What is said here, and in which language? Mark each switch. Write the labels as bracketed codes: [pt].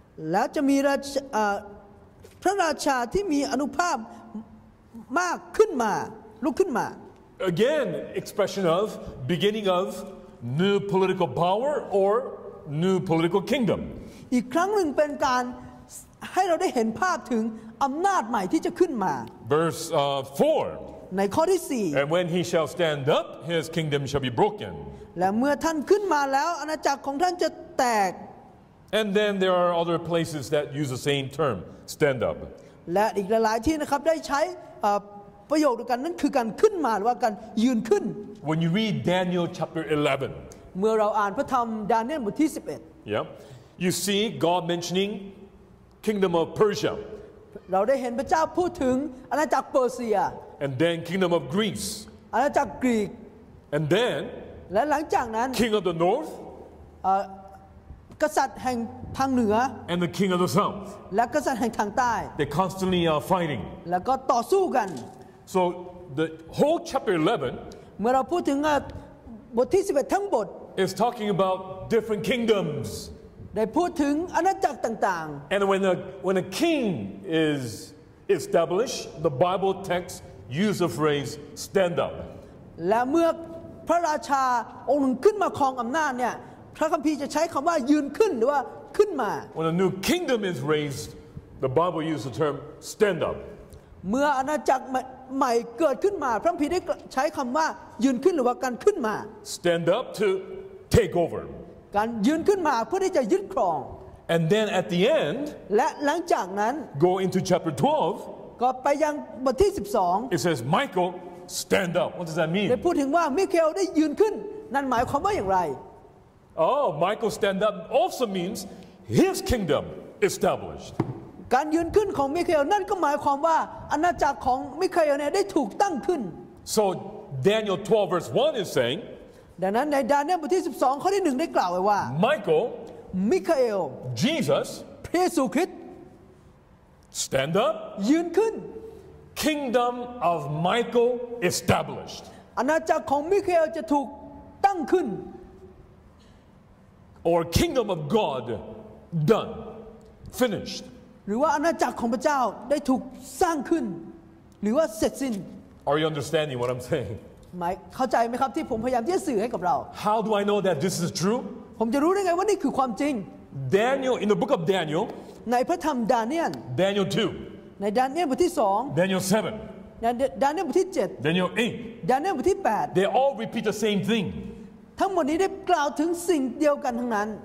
[th] แล้วจะมีพระราชาที่มีอนุภาพมากขึ้นมาลุกขึ้นมา [en] Again, expression of beginning of. New political power or new political kingdom. [th] อีกครั้งหนึ่งเป็นการให้เราได้เห็นภาพถึงอำนาจใหม่ที่จะขึ้นมา [en] Verse 4. [th] ในข้อที่4. [en] And when he shall stand up, his kingdom shall be broken. [th] และเมื่อท่านขึ้นมาแล้วอาณาจักรของท่านจะแตก [en] And then there are other places that use the same term, stand up. [th] และอีกหลายที่นะครับได้ใช้ประโยคเดียวกันนั่นคือการขึ้นมาหรือว่าการยืนขึ้น [en] When you read Daniel chapter 11 [th] เมื่อเราอ่านพระธรรมดาเนียลบทที่11 [en] Yeah you see God mentioning kingdom of Persia [th] เราได้เห็นพระเจ้าพูดถึงอาณาจักรเปอร์เซีย [en] And then kingdom of Greece [th] อาณาจักรกรีก [en] And then [th] และหลังจากนั้น [en] king of the north [th] กษัตริย์แห่งทางเหนือ [en] and the king of the south [th] และกษัตริย์แห่งทางใต้ [en] they constantly are fighting [th] แล้วก็ต่อสู้กัน [en] So the whole chapter 11. [th] เมื่อเราพูดถึงบทที่11ทั้งบท [en] is talking about different kingdoms. [th] ได้พูดถึงอาณาจักรต่าง [en] ๆ And when a king is established, the Bible text uses the phrase "stand up." [th] และเมื่อพระราชาองค์หนึ่งขึ้นมาครองอำนาจเนี่ยพระคัมภีร์จะใช้คำว่ายืนขึ้นหรือว่าขึ้นมา [en] When a new kingdom is raised, the Bible uses the term "stand up." [th] เมื่ออาณาจักรใหม่เกิดขึ้นมาพระคัมภีร์ได้ใช้คำว่ายืนขึ้นหรือว่าการขึ้นมา [en] Stand up to take over [th] การยืนขึ้นมาเพื่อที่จะยึดครอง [en] And then at the end [th] และหลังจากนั้น [en] Go into chapter 12 [th] ก็ไปยังบทที่12 [en] It says Michael stand up. What does that mean? [th] ได้พูดถึงว่ามิเคลได้ยืนขึ้นนั่นหมายความว่าอย่างไร [en] Oh, Michael stand up also means his kingdom established. [th] การยืนขึ้นของมิเคลนั่นก็หมายความว่าอาณาจักรของมิเคลเนี่ยได้ถูกตั้งขึ้น [en] So Daniel 12 verse 1 is saying [th] ดังนั้นในดาเนียลบทที่12ข้อที่1ได้กล่าวไว้ว่า [en] Michael Michael Jesus [th] พระเยซูคริสต์ [en] stand up [th] ยืนขึ้น [en] kingdom of Michael established [th] อาณาจักรของมิเคลจะถูกตั้งขึ้น [en] or kingdom of God done finished [th] หรือว่าอาณาจักรของพระเจ้าได้ถูกสร้างขึ้นหรือว่าเสร็จสิ้น [en] Are you understanding what I'm saying [th] หมายเข้าใจไหมครับที่ผมพยายามที่จะสื่อให้กับเรา [en] How do I know that this is true [th] ผมจะรู้ได้ไงว่านี่คือความจริง [en] Daniel in the book of Daniel [th] ในพระธรรมดาเนียล [en] Daniel 2 [th] ในดาเนียลบทที่2 [en] Daniel 7 [th] ในดาเนียลบทที่7 [en] Daniel 8 [th] ดาเนียลบทที่8 [en] They all repeat the same thing [th] ทั้งหมดนี้ได้กล่าวถึงสิ่งเดียวกันทั้งนั้น